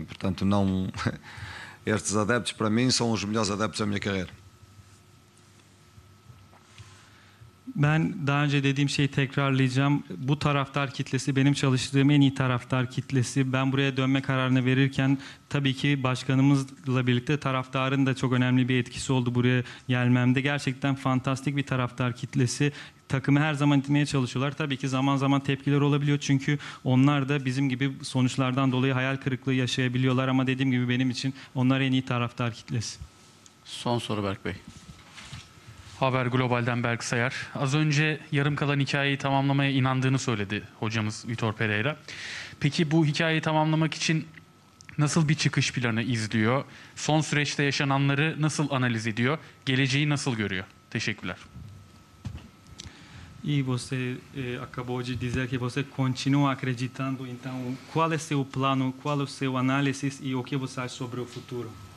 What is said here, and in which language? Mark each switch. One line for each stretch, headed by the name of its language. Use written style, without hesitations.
Portuguese: Portanto, não, estes adeptos para mim são os melhores adeptos da minha carreira.
Turkish: Ben daha önce dediğim şeyi tekrarlayacağım. Bu taraftar kitlesi benim çalıştığım en iyi taraftar kitlesi. Ben buraya dönme kararını verirken tabii ki başkanımızla birlikte taraftarın da çok önemli bir etkisi oldu buraya gelmemde. Gerçekten fantastik bir taraftar kitlesi. Takımı her zaman dinlemeye çalışıyorlar. Tabii ki zaman zaman tepkiler olabiliyor çünkü onlar da bizim gibi sonuçlardan dolayı hayal kırıklığı yaşayabiliyorlar. Ama dediğim gibi benim için onlar en iyi taraftar kitlesi. Son soru Berk Bey. Haber Global'den Berk Sayar. Az önce yarım kalan hikayeyi tamamlamaya inandığını söyledi hocamız Vitor Pereira. Peki bu hikayeyi tamamlamak için nasıl bir çıkış planı izliyor? Son süreçte yaşananları nasıl analiz ediyor? Geleceği nasıl görüyor? Teşekkürler.
Portuguese: E você acabou de dizer que você continua acreditando. Então, qual é seu plano? Qual é seu análise e o que você acha sobre o futuro?